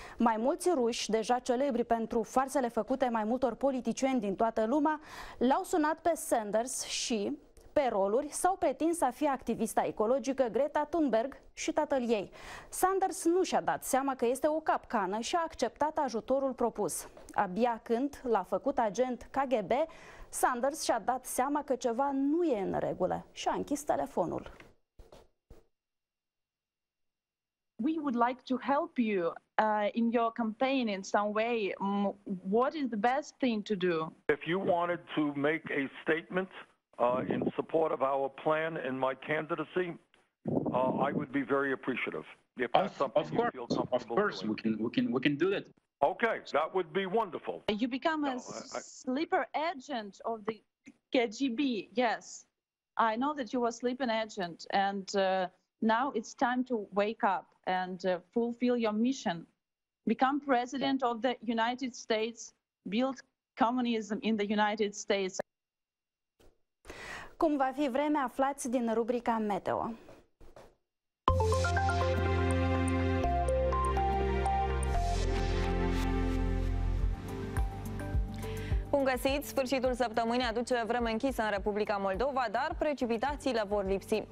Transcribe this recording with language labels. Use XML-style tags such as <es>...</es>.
<ro>Mai mulți ruși, deja celebri pentru farsele făcute mai multor politicieni din toată lumea, l-au sunat pe Sanders și pe roluri s-au pretins a fi activista ecologică Greta Thunberg și tatăl ei. Sanders nu și-a dat seama că este o capcană și a acceptat ajutorul propus. Abia când l-a făcut agent KGB, Sanders și-a dat seama că ceva nu e în regulă și a închis telefonul.</ro> <en>We would like to help you in your campaign in some way, what is the best thing to do? If you wanted to make a statement in support of our plan and my candidacy, I would be very appreciative. If that's something you feel comfortable doing. Of course, we can do that. Okay, that would be wonderful. You become a sleeper agent of the KGB. Yes, I know that you were a sleeping agent, and now it's time to wake up and fulfill your mission. Become president of the United States, build communism in the United States.</en> <ro>Cum va fi vremea, aflați din rubrica Meteo. Bun găsit! Sfârșitul săptămânii aduce vreme închisă în Republica Moldova, dar precipitațiile vor lipsi.</ro>